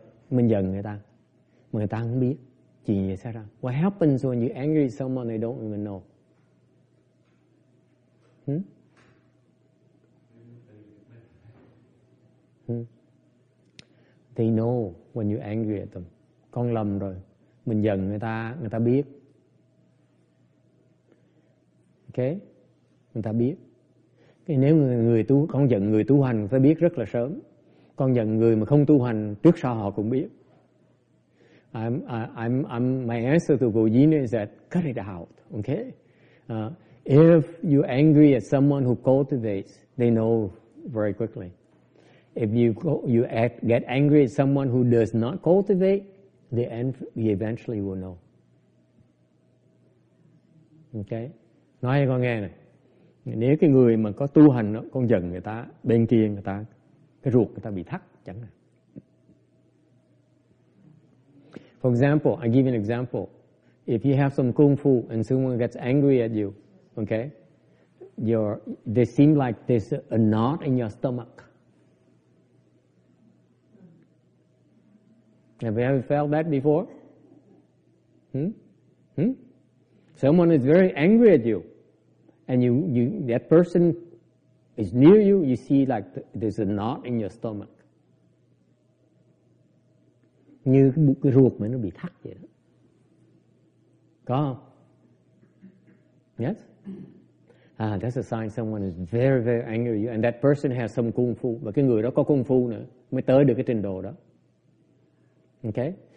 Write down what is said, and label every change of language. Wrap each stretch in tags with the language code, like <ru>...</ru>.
<vi>Người ta không biết chuyện gì xảy ra.</vi> <en>What happens when you angry someone they don't even know? They know when you angry at them.</en> <vi>Con lầm rồi. Mình giận người ta biết. Ok? Người ta biết. Nếu người tu, con giận người tu hành phải biết rất là sớm. Con giận người mà không tu hành trước sau họ cũng biết.</vi> <en>My answer to Gojina is that cut it out, okay? If you're angry at someone who cultivates, they know very quickly. If you get angry at someone who does not cultivate, they eventually will know.</en> <vi>Okay? Nói cho con nghe này. Nếu cái người mà có tu hành đó, con giận người ta, bên kia người ta, cái ruột người ta bị thắt, chẳng hạn.</vi> <en>For example, I give you an example. If you have some kung fu and someone gets angry at you, okay, they seem like there's a knot in your stomach. Have you ever felt that before? Someone is very angry at you, and you that person is near you. You see like there's a knot in your stomach.</en> <vi>Như cái ruột mà nó bị thắt vậy đó. Có không?</vi> <en>Yes? That's a sign someone is very, very angry at you. And that person has some kung fu.</en> <vi>Và cái người đó có kung fu nữa. Mới tới được cái trình độ đó. Okay?</vi>